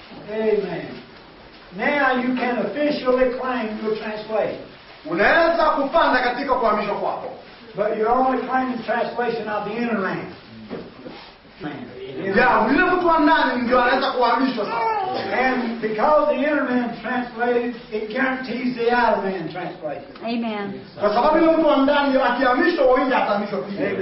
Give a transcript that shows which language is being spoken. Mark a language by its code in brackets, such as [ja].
[en] Amen. Now you can officially claim your translation. [sw] Unaweza kupanda katika kuhamishwa kwako. [en] But you're only claiming translation of the inner man. [sw] Yeah, yule mtu wa ndani ndio anaweza kuhamishwa sasa. [en] And because the inner man translated, it guarantees the outer man translation. Amen. [sw] Kwa sababu yule mtu wa ndani ndio akihamishwa, wao ndio atahamishwa pia.